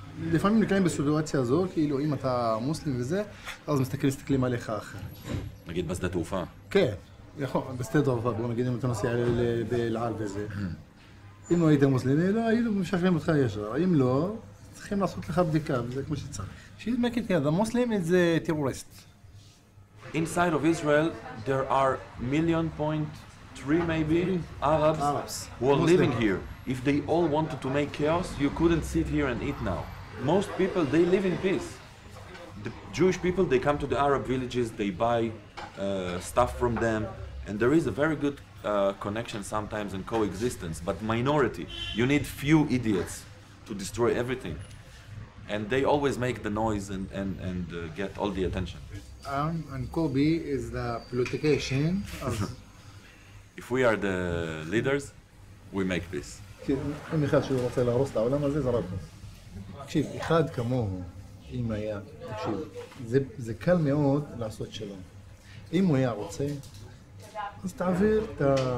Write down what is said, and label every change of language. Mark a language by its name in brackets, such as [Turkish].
[Hebrew] לפעמים נקלעים בסיטואציה הזו, כאילו, אם אתה מוסלם וזה, אז מסתכלים עליך אחר. נגיד בשדה תעופה. כן, יכול, בשדה תעופה, בואו נגיד אם אתה נוסע לאלעל וזה. אם לא היית מוסלמי, לא, היינו משחררים אותך ישר. אם לא, צריכים לעשות לך בדיקה, וזה כמו שצריך. שיהיה מקל, כן, המוסלם זה טרוריסט. [English] Inside of Israel, there are 1.3 million maybe Arabs who are living here. If they all wanted to make chaos, you couldn't sit here and eat now. Most people, they live in peace. The Jewish people, they come to the Arab villages, they buy stuff from them, and there is a very good connection sometimes and coexistence, but minority. You need few idiots to destroy everything. And they always make the noise and get all the attention. And Kobe is the politician. If we are the leaders, we make peace. [Hebrew] אם אחד שהוא רוצה להרוס את העולם הזה, זה רק פה. תקשיב, אחד כמוהו, אם היה, תקשיב, זה קל מאוד לעשות שלום. אם הוא היה רוצה, אז תעביר את ה...